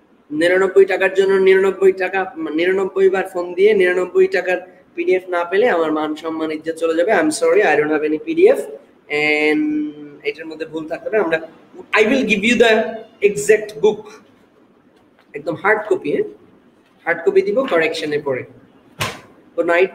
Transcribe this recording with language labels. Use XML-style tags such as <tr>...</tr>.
<bn>99 টাকার জন্য 99 টাকা 99 বার ফোন দিয়ে 99 টাকার PDF না পেলে আমার মান সম্মান ইজ্জত চলে যাবে.</bn> <en>I'm sorry, I don't have any PDF. And</en> <bn>এটার মধ্যে ভুল থাকতে পারে আমরা</bn> <en>I will give you the exact book.</en> <bn>একদম হার্ড কপি হার্ড কপি দিব কারেকশনে পড়ে</bn> <en>Good night.</en>